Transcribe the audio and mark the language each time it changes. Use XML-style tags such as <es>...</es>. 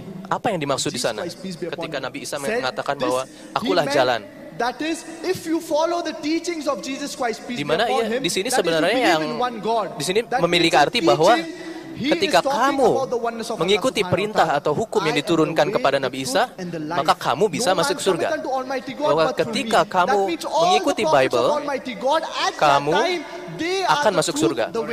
<id>Apa yang dimaksud di sana? Ketika Nabi Isa mengatakan bahwa akulah jalan.</id> <en>That is, if you follow the teachings of Jesus Christ, peace be upon him.</en> <id>Dimana di sini sebenarnya yang di sini memiliki arti bahwa ketika kamu mengikuti perintah atau hukum yang diturunkan kepada Nabi Isa, maka kamu bisa masuk surga. Bahwa ketika kamu mengikuti Bible, kamu akan masuk surga.</id>